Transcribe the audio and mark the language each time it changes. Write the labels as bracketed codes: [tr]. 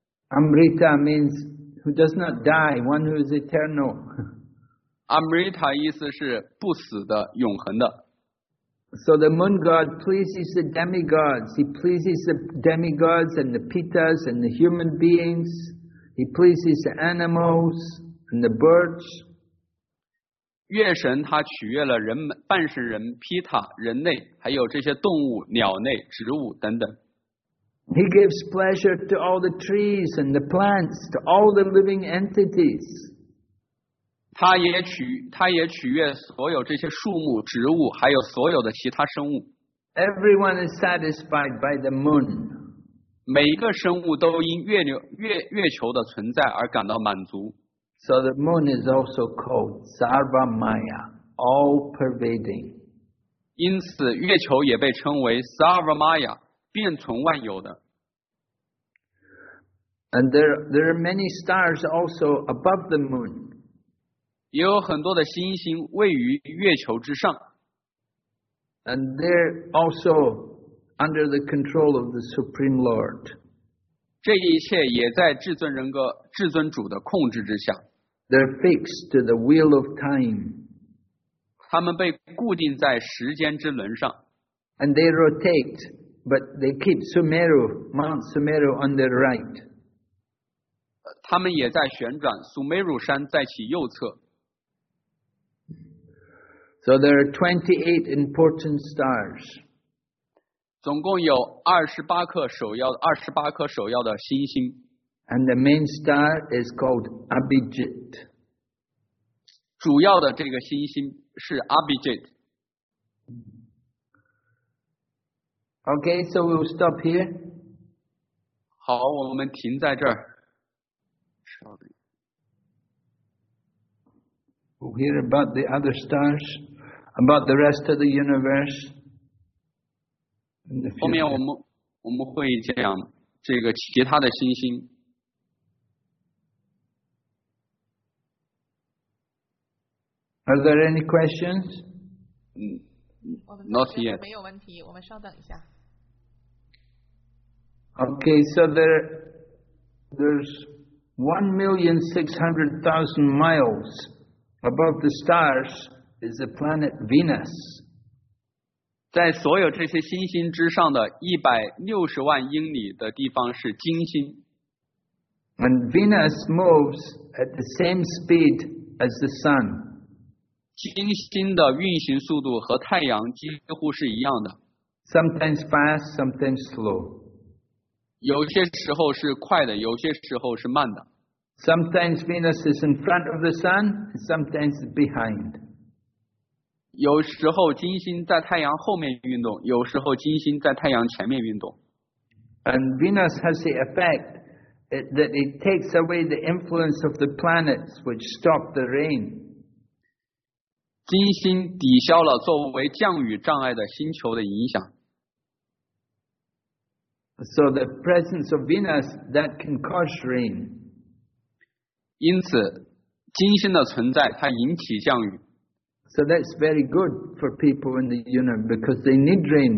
[en] Amrita means who does not die, one who is eternal. [zh] Amrita 意思是不死的、永恒的。 [en] So the moon god pleases the demigods. He pleases the demigods and the pitas and the human beings. He pleases the animals and the birds. [zh] 月神他取悦了人们半神人皮塔人类还有这些动物鸟类植物等等。 [en] He gives pleasure to all the trees and the plants, to all the living entities. [zh] 他也取悦所有这些树木、植物，还有所有的其他生物。 [en] Everyone is satisfied by the moon. [zh] 每一个生物都因月球的存在而感到满足。 [en] So the moon is also called Sarvamaya, all-pervading. [zh] 因此，月球也被称为 Sarvamaya。遍存万有的 [en] ，and there are many stars also above the moon. [zh] 也有很多的星星位于月球之上 [en] ，and they're also under the control of the Supreme Lord. [zh] 这一切也在至尊人格、至尊主的控制之下 [en] ，they're fixed to the wheel of time. [zh] 他们被固定在时间之轮上 [en] ，and they rotate. But they keep Sumeru, Mount Sumeru on their right. [zh] 他们也在旋转，苏梅鲁山在其右侧。 [en] So there are 28 important stars. [zh] 总共有28颗首要的星星。 [en] And the main star is called Abhijit. [zh] 主要的这个星星是 Abhijit. [en] Okay, so we'll stop here. [zh] 好，我们停在这儿。稍等。 [en] We'll hear about the other stars, about the rest of the universe. [zh] 后面我们会讲这个其他的星星。 [en] Are there any questions? Not yet. [zh] 没有问题，我们稍等一下。 [en] Okay, so there's 1,600,000 miles above the stars is the planet Venus. [zh] 在所有这些星星之上的160万英里的地方是金星。 [en] And Venus moves at the same speed as the sun. [zh] 金星的运行速度和太阳几乎是一样的。 [en] Sometimes fast, sometimes slow. [zh] 有些时候是快的，有些时候是慢的。 [en] Sometimes Venus is in front of the sun, sometimes behind. [zh] 有时候金星在太阳后面运动，有时候金星在太阳前面运动。 [en] And Venus has the effect that it takes away the influence of the planets which stop the rain. [zh] 金星抵消了作为降雨障碍的星球的影响。 [en] So the presence of Venus that can cause rain. [zh] 因此，金星的存在它引起降雨。 [en] So that's very good for people in the universe because they need rain.